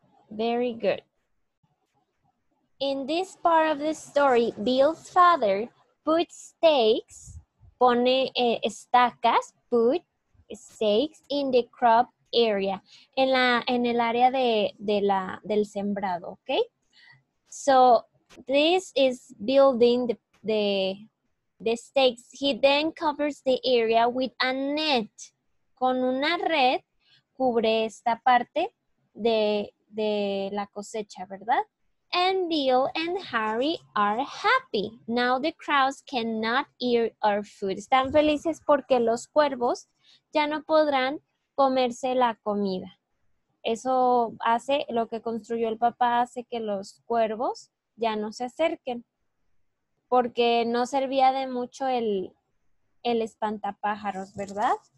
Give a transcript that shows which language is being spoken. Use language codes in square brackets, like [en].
[en] Very good. In this part of the story, Bill's father puts stakes, [es] pone estacas, [en] put stakes in the crop area, [es] en el área del sembrado, [en] okay? So this is building the stakes. He then covers the area with a net. [es] Con una red, cubre esta parte de la cosecha, ¿verdad? [en] And Bill and Harry are happy. Now the crows cannot eat our food. [es] Están felices porque los cuervos ya no podrán comerse la comida. Eso hace, lo que construyó el papá hace que los cuervos ya no se acerquen. Porque no servía de mucho el espantapájaros, ¿verdad?